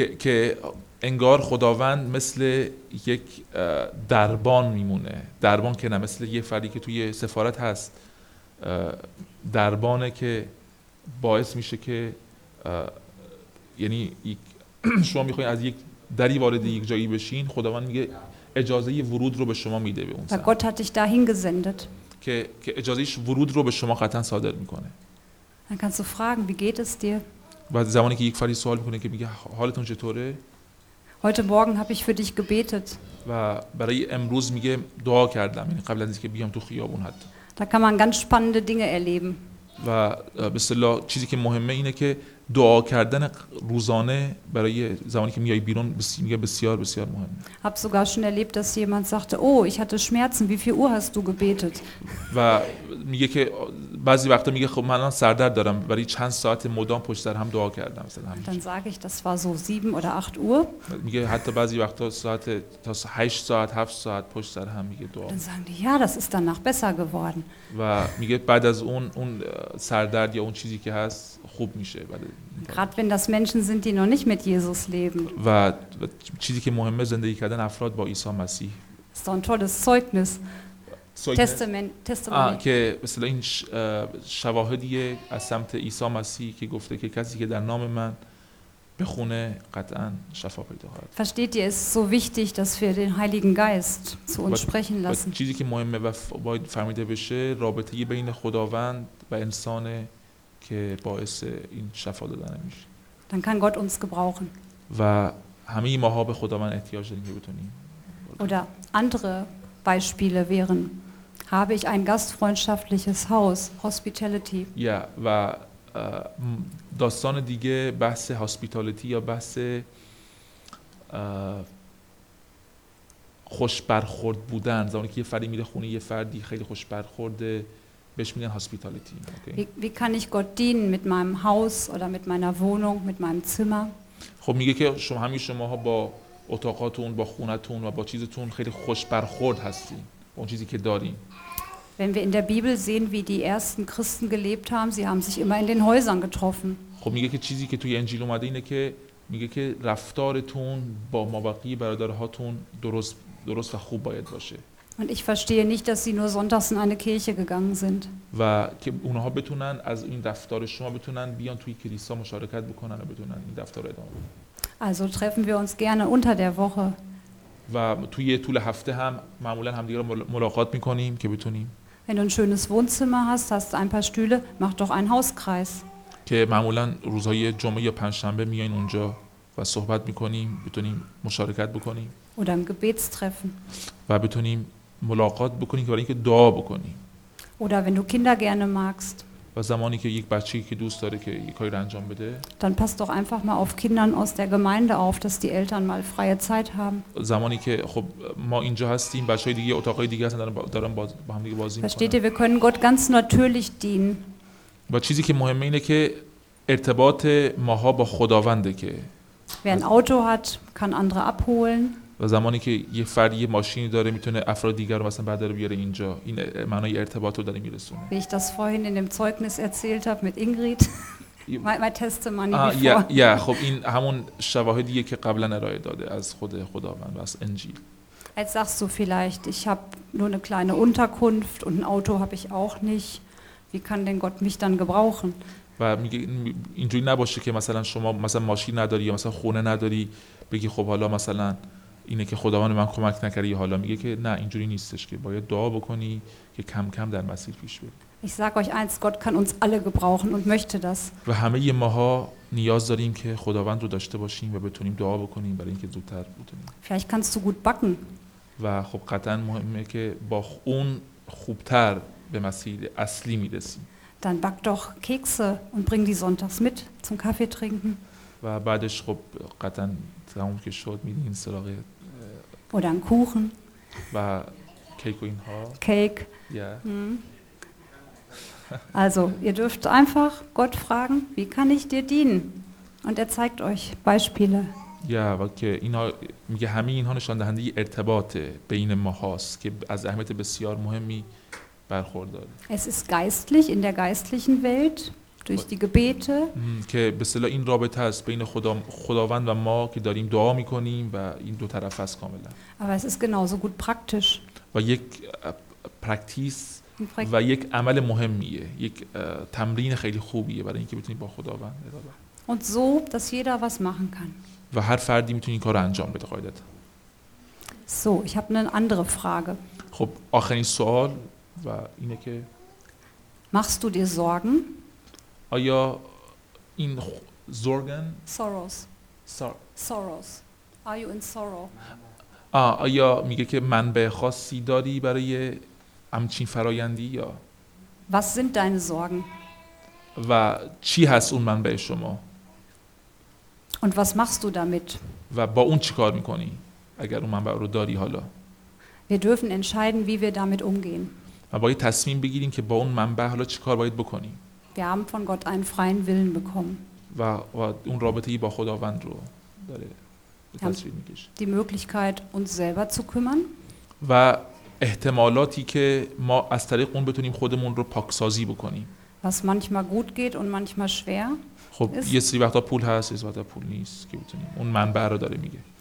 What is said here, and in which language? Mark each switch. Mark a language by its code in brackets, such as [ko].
[fa] که انگار خداوند مثل یک دربان میمونه دربان که نه مثل یه فردی که توی سفارت هست دربانه که باعث میشه که یعنی شما میخواین از یک دری وارد یک جایی بشین خداوند میگه اجازه ورود رو به شما میده به اون سمت [de] گاد هات دیچ داهین گزندت [fa] که اجازهش ورود رو به شما قطعا صادر میکنه [de] Dann kannst du fragen, wie geht es dir? Weil [fa] زمانی که یک فردی سوال میکنه که میگه حالتون چطوره؟ [de] Heute morgen habe ich für dich gebetet. [fa] و برای امروز میگه دعا کردم یعنی قبل از اینکه بیام تو خیابون حتی. [de] Da kann man ganz spannende Dinge erleben. [fa] و به اصطلاح چیزی که مهمه اینه که دعا کردن روزانه برای زمانی که میای بیرون میگه بسیار بسیار مهمه. [de] Hab sogar schon erlebt, dass jemand sagte, "Oh, ich hatte Schmerzen, wie viel Uhr hast du gebetet?" [fa] و میگه که بعضی وقتا میگه خب من الان سردرد دارم برای چند ساعت مدام پشت سر هم دعا کردم مثلا همین. [de] Dann sage ich, das war so 7 oder 8 Uhr. [fa] میگه حتی بعضی وقتا ساعت تا 8 ساعت 7 ساعت پشت سر هم میگه دعا. [de] Dann sagen die, ja, das ist danach besser geworden. [fa] و میگه بعد از اون سردرد یا اون چیزی که هست خوب میشه بعد [de] Gerade wenn das Menschen sind, die noch nicht mit Jesus leben. [fa] و چیزی که مهمه زندگی کردن افراد با عیسی مسیح. [de] Das ist ein tolles Zeugnis. Testament. [fa] که مثلا این شواهدی از سمت عیسی مسیح که گفته که کسی که در نام من بخونه قطعا شفا پیدا خواهد. [de] Versteht ihr, es ist so wichtig, dass wir den Heiligen Geist zu uns sprechen lassen. [fa] چیزی که مهمه و باید فهمیده بشه رابطه بین خداوند و انسان که باعث این شفا دادن میشه. [de] Dann kann Gott uns gebrauchen. [fa] و همه ماها به خداوند احتیاج داریم که بتونیم. [de] Oder andere Beispiele wären, habe ich ein gastfreundschaftliches Haus, Hospitality. [fa] Ja, و داستان دیگه بحث هاسپیتالیتی یا بحث خوش برخورد بودن زمانی که یه فردی میره خونه یه فردی خیلی خوش برخورده بهش میگن هاسپیتالیتی [de] Wie kann ich Gott dienen mit meinem Haus oder mit meiner Wohnung, mit meinem Zimmer? [fa] خب میگه که شما همین شماها با اتاقاتون با خونتون و با چیزتون خیلی خوش برخورد هستین با اون چیزی که دارین [de] Wenn wir in der Bibel sehen, wie die ersten Christen gelebt haben, sie haben sich immer in den Häusern getroffen. [fa] خب میگه که چیزی که توی انجیل اومده اینه که میگه که رفتارتون با مابقی برادرهاتون درست و خوب باید باشه. [de] Und ich verstehe nicht, dass sie nur sonntags in eine Kirche gegangen sind. [fa] و که اونها بتونن از این رفتار شما بتونن بیان توی کلیسا مشارکت بکنن و بتونن این رفتار رو ادامه بدن. [de] Also treffen wir uns gerne unter der Woche. [fa] و توی طول هفته هم معمولا همدیگه رو ملاقات میکنیم که بتونیم. [de] Wenn du ein schönes Wohnzimmer hast, hast ein paar Stühle, mach doch einen Hauskreis. [fa] که معمولا روزهای جمعه یا پنجشنبه میایین اونجا و صحبت میکنیم، بتونیم مشارکت بکنیم. [de] Oder ein Gebetstreffen. [fa] و بتونیم ملاقات بکنیم که برای اینکه دعا بکنیم. [de] Oder wenn du Kinder gerne magst. [fa] و زمانی که یک بچه‌ای که دوست داره که یک کاری رو انجام بده [de] dann passt doch einfach mal auf Kindern aus der Gemeinde auf, dass die Eltern mal freie Zeit haben. [fa] زمانی که خب ما اینجا هستیم بچه‌های دیگه اتاقای دیگه هستن دارن با هم دیگه بازی می‌کنن. [de] Versteht ihr, wir können Gott ganz natürlich dienen. [fa] و چیزی که مهمه اینه که ارتباط ماها با خداونده که [de] wer ein Auto hat, kann andere abholen. [fa] و زمانی که یه فرد یه ماشینی داره میتونه افراد دیگر رو مثلا بعد رو بیاره اینجا این معنای ارتباط رو داره میرسونه. [de] Wie ich das vorhin in dem Zeugnis erzählt habe mit Ingrid. mein [en] Testimony before. [fa] Ja, خب این همون شواهدیه که قبلا ارائه داده از خود خداوند و از انجیل. [de] Jetzt sagst du vielleicht, ich habe nur eine kleine Unterkunft und ein Auto habe ich auch nicht. Wie kann denn Gott mich dann gebrauchen? [fa] و میگه اینجوری نباشه که مثلا شما مثلا ماشین نداری یا مثلا خونه نداری بگی خب حالا مثلا اینه که خداوند من کمک نکرد. حالا میگه که نه اینجوری نیستش که باید دعا بکنی که کم کم در مسیر پیش بری. [de] Ich sag euch eins, Gott kann uns alle gebrauchen und möchte das. [fa] و همه ماها نیاز داریم که خداوند رو داشته باشیم و بتونیم دعا بکنیم برای اینکه زودتر بتونیم. [de] Vielleicht kannst du gut backen. [fa] و خب قطعا مهمه که با اون خوبتر به مسیر اصلی میرسیم. [de] Dann back doch Kekse und bring die sonntags mit zum Kaffee trinken. [fa] و بعدش خب قطعا تمام که شد میدین این سراغ [de] بودن کوخن [fa] و کیک و اینها کیک yeah. [de] Also ihr dürft einfach Gott fragen, wie kann ich dir dienen? Und er zeigt euch Beispiele. [fa] Yeah, و که اینا میگه همه اینها نشان دهنده ارتباط بین ما هاست که از اهمیت بسیار مهمی برخوردار. [de] Es ist geistlich in der geistlichen Welt durch die Gebete. [fa] که به اصطلاح این رابطه است بین خداوند و ما که داریم دعا میکنیم و این دو طرف است کاملا. [de] Aber es ist genauso gut praktisch. [fa] و یک پرکتیس و یک عمل مهمیه. یک تمرین خیلی خوبیه برای اینکه بتونیم با خداوند رابطه. [de] Und so, dass jeder was machen kann. [fa] و هر فردی میتونه این کارو انجام بده قاعدتا. [de] So, ich habe eine andere Frage. [fa] خب آخرین سوال و اینه که [de] Machst du dir Sorgen? [fa] آیا این زورگن [en] Soros Are you in sorrow? [fa] آیا میگه که منبع خاصی داری برای همچین فرایندی یا [de] Was sind deine Sorgen? [fa] و چی هست اون منبع شما؟ [de] Und was machst du damit? [fa] و با اون چی کار میکنی؟ اگر اون منبع رو داری حالا [de] Wir dürfen entscheiden, wie wir damit umgehen. [fa] ما باید تصمیم بگیریم که با اون منبع حالا چی کار باید بکنیم. [de] Wir haben von Gott einen freien Willen bekommen. [fa] و اون رابطه‌ای با خداوند رو داره تصویر می‌کشه. [de] Die Möglichkeit uns selber zu kümmern. [fa] و احتمالاتی که ما از طریق اون بتونیم خودمون رو پاکسازی بکنیم. [de] Was manchmal gut geht und manchmal schwer. [fa] خب یه سری وقتا پول هست، یه سری وقتا پول نیست که بتونیم. اون منبع رو داره میگه.